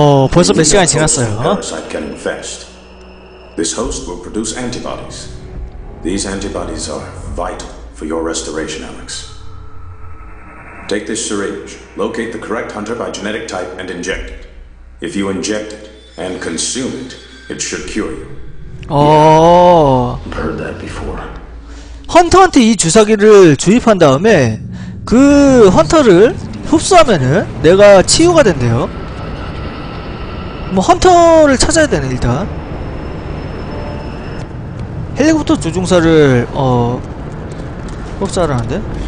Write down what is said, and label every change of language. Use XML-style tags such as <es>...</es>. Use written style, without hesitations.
<ko>벌써 몇 시간이 지났어요.</ko> <en>I can infest. This host will produce antibodies. These antibodies are vital for your restoration, Alex. Take this syringe, locate the correct hunter by genetic type and inject it. If you inject it and consume it, it should cure you. I've heard that before.</en> <ko>헌터한테 이 주사기를 주입한 다음에 그 헌터를 흡수하면은 내가 치유가 된대요. 뭐 헌터를 찾아야 되네. 일단 헬리콥터 조종사를 흡수하라는데?</ko>